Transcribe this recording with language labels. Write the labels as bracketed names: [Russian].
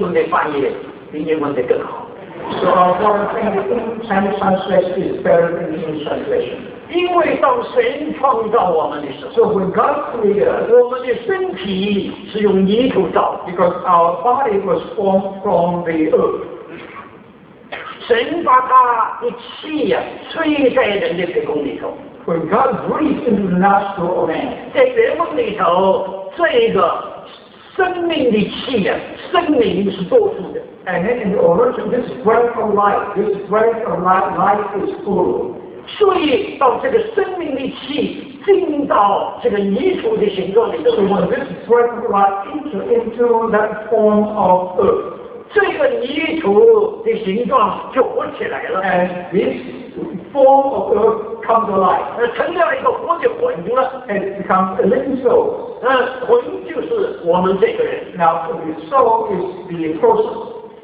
[English] translation is better than English translation. So our Chinese translation is better than English translation. [Chinese] 因为当神创造我们的时候 [English] ，So when God created, [Chinese] 我们的身体是用泥土造 [English] ，Because our body was formed from the earth。 [Chinese] 神把他的气呀、啊、吹在人的鼻孔里头。 [English] When God breathed into the nostril of man， [Chinese] 在原文里头，这个生命的气呀、啊，生命是多数的。 [English] And then in the origin, this breath of life, this breath of life, life is full。 [Chinese] 所以当这个生命的气进到这个泥土的形状里头 [English] ，So when this breath of life enters into that form of earth， [Chinese] 这个泥土的形状就活起来了 [English] ，And this form of earth comes alive， [Chinese] 成了一个活的魂了 [English] ，And becomes a living soul。 [Chinese] 那魂就是我们这个人 [English] ，Now the soul is the person。